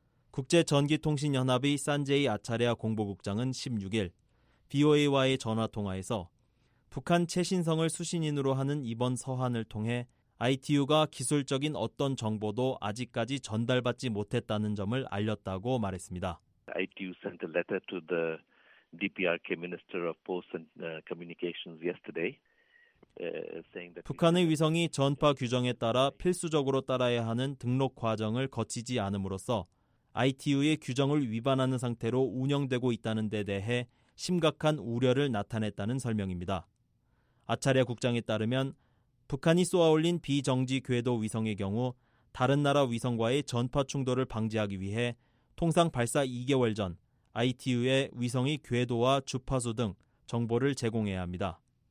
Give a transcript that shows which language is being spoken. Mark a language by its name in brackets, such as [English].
[Korean] 국제전기통신연합의 산제이 아차레아 공보국장은 16일 BOA와의 전화통화에서 북한 최신성을 수신인으로 하는 이번 서한을 통해 ITU가 기술적인 어떤 정보도 아직까지 전달받지 못했다는 점을 알렸다고 말했습니다. [English] ITU sent a letter to the DPRK Minister of Posts and Communications yesterday. [Korean] 북한의 위성이 전파 규정에 따라 필수적으로 따라야 하는 등록 과정을 거치지 않음으로써 ITU의 규정을 위반하는 상태로 운영되고 있다는 데 대해 심각한 우려를 나타냈다는 설명입니다. 아차랴 국장에 따르면 북한이 쏘아올린 비정지 궤도 위성의 경우 다른 나라 위성과의 전파 충돌을 방지하기 위해 통상 발사 2개월 전 ITU에 위성의 궤도와 주파수 등 정보를 제공해야 합니다.